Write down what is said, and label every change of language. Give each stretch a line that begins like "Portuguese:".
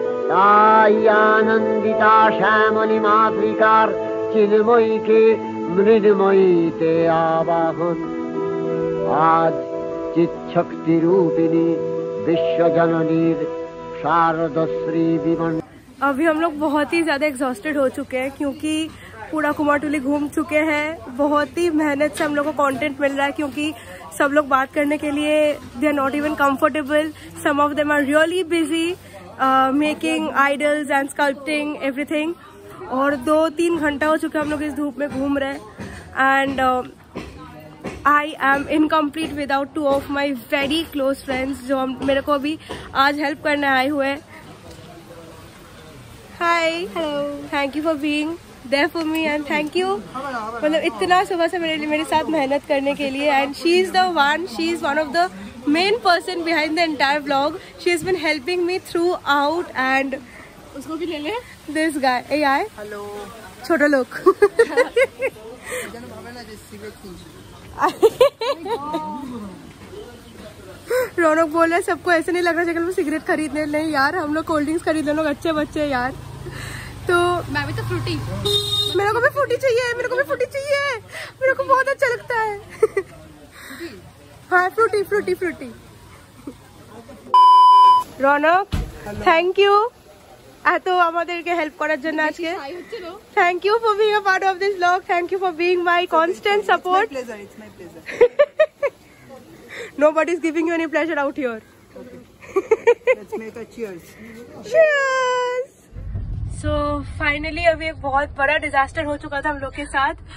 Bangla: তাই আনন্দিতা শ্যামলী মাতৃকার চিন্ময়ীকে মৃন্ময়ীতে আবাহন। আজ চিৎশক্তি রূপিণী বিশ্বজননীর শারদশ্রী বিমন।
Hindi: अभी हम लोग बहुत ही ज्यादा एग्जॉस्टेड हो चुके हैं क्योंकि पूरा कुमारटुली घूम चुके हैं, बहुत ही मेहनत से हम लोग को कंटेंट मिल रहा है क्योंकि सब लोग बात करने के लिए
English: they are not even comfortable, some of them are really busy making idols and sculpting everything,
Hindi: और 2-3 घंटा हो चुके हैं हम लोग इस धूप में घूम रहे हैं।
English: and I am incomplete without two of my very close friends
Hindi: जो मेरे को अभी आज हेल्प करने आए हुए हैं।
English: Hi, hello, thank you for being there for me and thank you,
Hindi: matlab itna subah se mere sath mehnat karne ke liye,
English: and she is one of the main person behind the entire vlog, she has been helping me throughout, and
Hindi: usko bhi le le
English: this guy AI, hello
Hindi: chota log jan bhave na jis se thi रौनक बोल रहे सबको ऐसे नहीं लग रहा जैसे वो cigarette खरीदने, नहीं यार हम लोग कोल्ड ड्रिंक्स खरीद, लोग अच्छे बच्चे हैं यार। तो मैं भी तो फ्रूटी, मेरे को भी फ्रूटी चाहिए, मेरे को भी फ्रूटी चाहिए, मेरे को बहुत अच्छा लगता है। हाँ Frooti Frooti Frooti.
English: Raunak thank you
Bangla: এত আমাদেরকে হেল্প করার জন্য আজকে,
English: Thank you for being a part of this blog, thank you for being my constant support. Nobody is giving you any pleasure out here. Okay. Let's make a cheers. Cheers. So finally,
Hindi: अभी एक बहुत बड़ा disaster हो चुका था हम लोग के साथ.